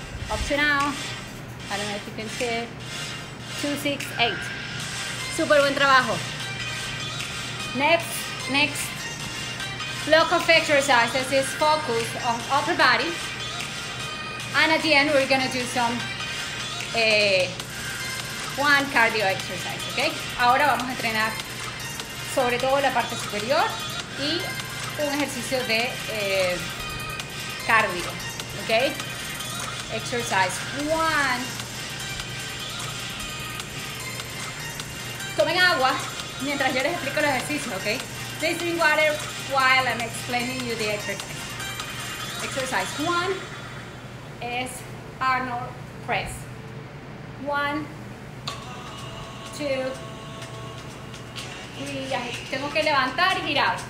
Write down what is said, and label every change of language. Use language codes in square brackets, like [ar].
[en] Up to now, I don't know if you can see it. 268. [es] Super buen trabajo. [en] Next. Block of exercises is focused on upper body, and at the end we're gonna do some one cardio exercise, okay? [es] Ahora vamos a entrenar sobre todo la parte superior y un ejercicio de cardio, okay? [en] Exercise one. [es] Tomen agua mientras yo les explico el ejercicio, okay? [en] Please drink water while I'm explaining you the exercise. Exercise 1 is Arnold press. [es] 1, 2, 3, tengo que levantar y girar.